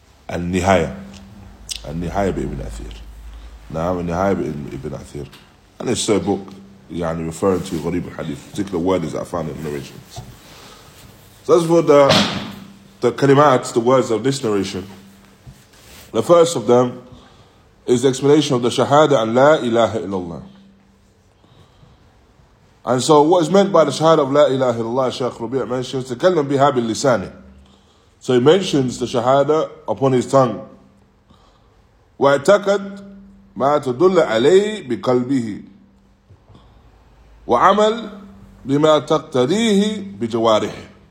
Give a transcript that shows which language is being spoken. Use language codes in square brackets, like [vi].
[ar] النهاية بابن أثير نعم النهاية بابن أثير [en] and it's a book يعني referring to [ar] غريب الحديث [en] particular words that I found in narrations. So as for the kalimat, the words of this narration, the first of them is the explanation of the shahada and la ilaha illallah. And so what is meant by the shahada of la ilaha illallah, Shaykh Rabi' mentions, [ar] تكلم بها باللسان. [en] So he mentions the shahada upon his tongue. [ar] واعتقد ما تدل عليه بقلبه وعمل بما تقتديه بجوارحه.